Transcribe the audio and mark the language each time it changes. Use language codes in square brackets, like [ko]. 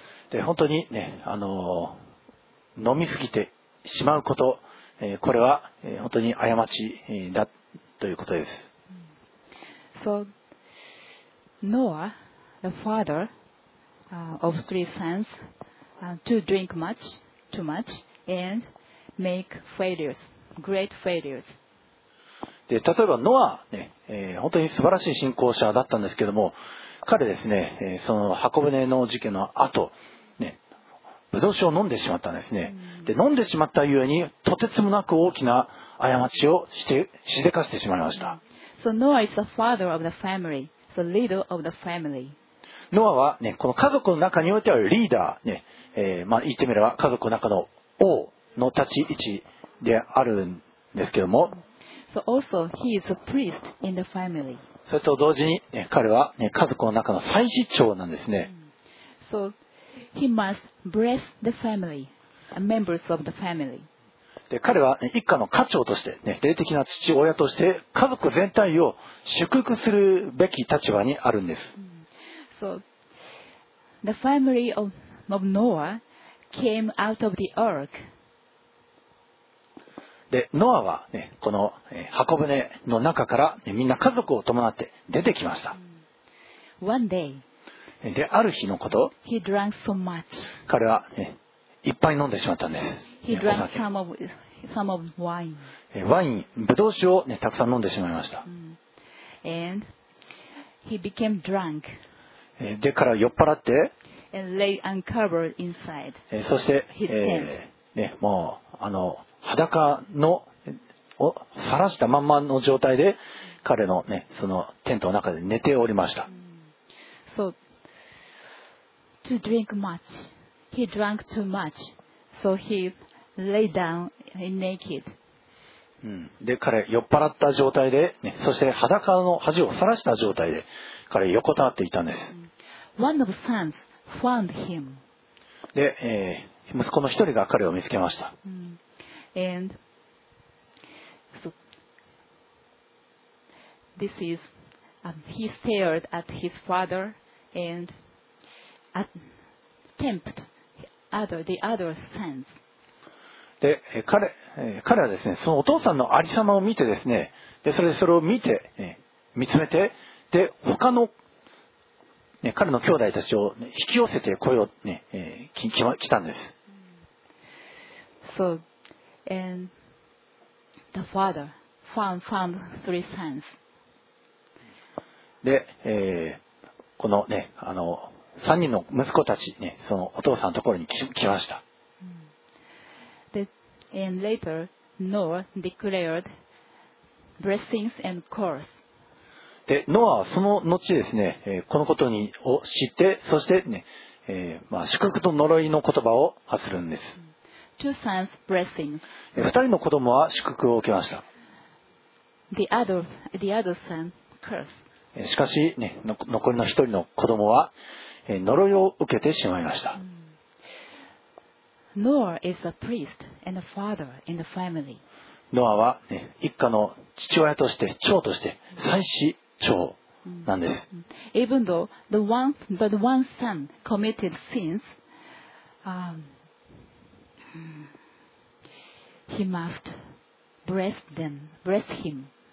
[ja] で本当に、ね、あの飲みすぎてしまうこと、これは、本当に過ちだということです。 [en] So, Noah, the father, of three sons, to drink much, too much, and make failures, great failures. [ja] で、例えばノア、ね、本当に素晴らしい信仰者だったんですけども、彼ですね、その箱舟の事件の後、ね、ブドウ酒を飲んでしまったんですね。で、飲んでしまったゆえに、とてつもなく大きな過ちをしでかしてしまいました。 [en] So Noah is the father of the family, the leader of the family. [ja] ノアは、ね、この家族の中においてはリーダー、ね、まあ、言ってみれば家族の中の王の立ち位置であるんですけども。 [en] So also he is a priest in the family. [ja] それと同時に、ね、彼は、ね、家族の中の祭司長なんですね。 [en] So he must bless the family, members of the family. [ja] で彼は、ね、一家の家長として、ね、霊的な父親として家族全体を祝福するべき立場にあるんです。 [en] So, the family of Noah came out of the ark. [ja] で、ノアは、ね、この箱舟の中から、ね、みんな家族を伴って出てきました。 [en] One day, [ja] で、ある日のこと、 [en] he drank so much. [ja] 彼は、ね、いっぱい飲んでしまったんです。 [en] He drank some of wine. [ja] ワイン、ブドウ酒を、ね、たくさん飲んでしまいました。 [en] And he became drunk. [ja] で、から酔っ払って、 [en] And lay uncovered inside. [ja] そして、ね、もうあの裸のを晒したまんまの状態で彼の、ね、そのテントの中で寝ておりました。 [en] So, to drink much. He drank too much. So he lay down naked. [ja] うん、で彼酔っ払った状態で、ね、そして裸の恥を晒した状態で彼横たわっていたんです。 [en] One of sons found him. [ja] で、息子の一人が彼を見つけました。 [en] And so, this is, he stared at his father and attempted the other sons. [ja] で 彼はですね、そのお父さんのありさまを見てですね、でそれでそれを見て、ね、見つめて、で他の、ね、彼の兄弟たちを、ね、引き寄せて来よう、ね、来たんです。 [en] So, and the father found three sons. [ja] で、このね、あの3人の息子たち、ね、そのお父さんのところに来ました。 [en] And later, Noah declared blessings and curse. [ja] で、ノアはその後ですね、このことを知って、そしてね、まあ、祝福と呪いの言葉を発するんです。 [en] Two sons blessings. [ja] 二人の子供は祝福を受けました。 [en] The other son curse. [ja] しかし、ね、残りの一人の子供は呪いを受けてしまいました。 [en] Noah is a priest and a father in the family. [ja] ノアは、ね、一家の父親として、長として、祭司長なんです。 [en] Even though one son committed sins, he must bless him.